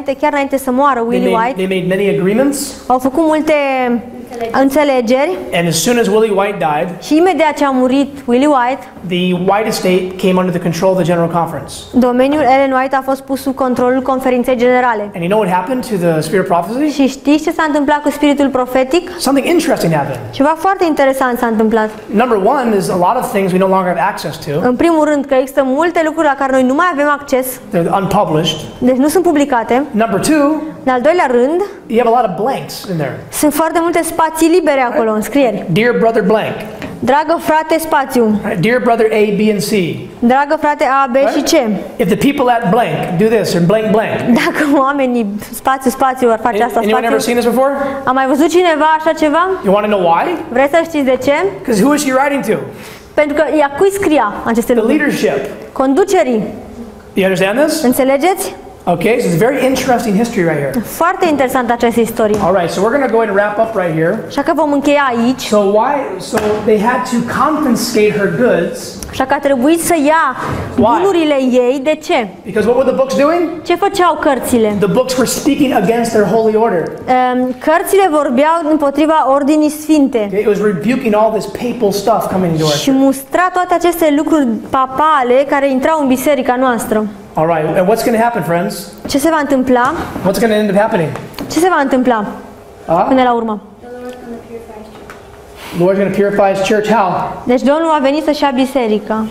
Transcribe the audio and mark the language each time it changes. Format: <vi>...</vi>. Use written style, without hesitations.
<ro>Înainte să moară Willie White.</ro> <en>They made many agreements.</en> <ro>Au făcut multe înțelegeri.</ro> <en>And as soon as Willie White died,</en> <ro>și imediat ce a murit Willie White,</ro> <en>the White estate came under the control of the General Conference.</en> <ro>Domeniul Ellen White a fost pus sub controlul conferinței generale.</ro> <en>And you know what happened to the spirit prophecy?</en> <ro>Și știi ce s-a întâmplat cu spiritul profetic?</ro> <en>Something interesting happened.</en> <ro>Ceva foarte interesant s-a întâmplat.</ro> <en>Number one is a lot of things we no longer have access to.</en> <ro>În primul rând că există multe lucruri la care noi nu mai avem acces.</ro> <en>They're unpublished.</en> <ro>Deci nu sunt publicate.</ro> <en>Number two.</en> <ro>În al doilea rând,</ro> <en>you have a lot of blanks in there.</en> <ro>Sunt foarte multe spații libere acolo în scrieri.</ro> <en>Dear brother blank.</en> <ro>Dragă frate spațiu.</ro> <en>Dear brother A, B and C.</en> <ro>Dragă frate A, B și C.</ro> <en>If the people at blank do this or blank blank.</en> <ro>Dacă oamenii spațiu ar face asta spațiu.</ro> <en>Anyone ever seen this before?</en> <ro>A mai văzut cineva așa ceva?</ro> <en>You want to know why?</en> <ro>Vrei să știi de ce?</ro> <en>Because who is she writing to?</en> <ro>Pentru că ea cui scria aceste lucruri?</ro> <en>The leadership.</en> <ro>Conducerii.</ro> <en>You understand this?</en> <ro>Înțelegeți?</ro> <en>Okay, so it's a very interesting history right here.</en> <ro>Foarte interesantă această istorie.</ro> <en>All right, so we're going to go ahead and wrap up right here.</en> <ro>Așa că vom încheia aici.</ro> <en>So they had to confiscate her goods.</en> <ro>Așa că a trebuit să ia bunurile ei. De ce?</ro> <en>Because what were the books doing?</en> <ro>Ce făceau cărțile?</ro> <en>The books were speaking against their holy order.</en> <ro>Cărțile vorbeau împotriva ordinii sfinte.</ro> <en>Okay, it was rebuking all this papal stuff coming into our</en> <ro>church. Și mustra toate aceste lucruri papale care intrau în biserica noastră.</ro> <en>All right. And what's going to happen, friends?</en> <ro>Ce se va întâmpla?</ro> <en>What's going to end up happening?</en> <ro>Ce se va întâmpla? Până la urmă.</ro> <en>The Lord's going to purify His church. How?</en> <ro>Deci Domnul a venit să-și ia biserica.</ro>